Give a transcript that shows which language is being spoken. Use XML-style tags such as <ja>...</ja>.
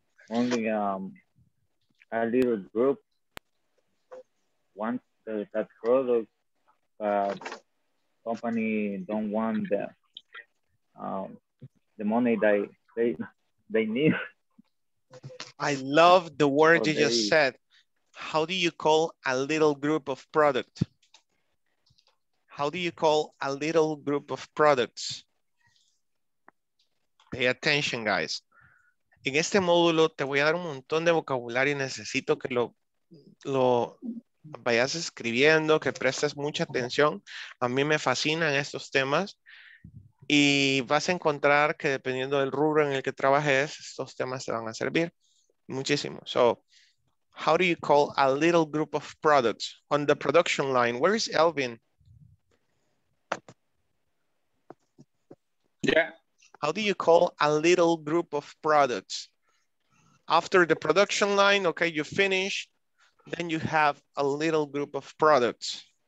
<en>Only a little group wants that product, but company don't want the money that they need. I love the word you just said. How do you call a little group of product? How do you call a little group of products? Pay attention, guys.</en> <es>En este módulo te voy a dar un montón de vocabulario y necesito que lo vayas escribiendo, que prestes mucha atención. A mí me fascinan estos temas y vas a encontrar que dependiendo del rubro en el que trabajes, estos temas te van a servir muchísimo.</es> <en>So, how do you call a little group of products on the production line? Where is Elvin? Yeah. How do you call a little group of products? After the production line, okay, you finish, then you have a little group of products.</en>